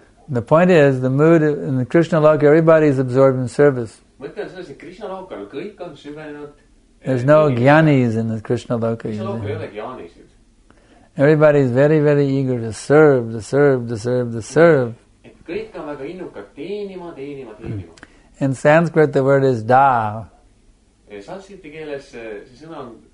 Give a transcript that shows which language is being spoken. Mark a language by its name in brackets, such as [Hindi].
[English] The point is, the mood in the Krishna Loka, everybody is absorbed in service. [Estonian] Mõtlen selles, et Krishna Loka, kõik on süvenenud. [English] There's no jnanis in the Krishna Loka. [Estonian] Krishna Loka ei ole jnanisid. [English] Everybody is very, very eager to serve, to serve, to serve, to serve. [Estonian] Et kõik on väga innukad, teenima, teenima, teenima. [English] In Sanskrit, the word is da. [Estonian] Sanskrit keeles see sõna on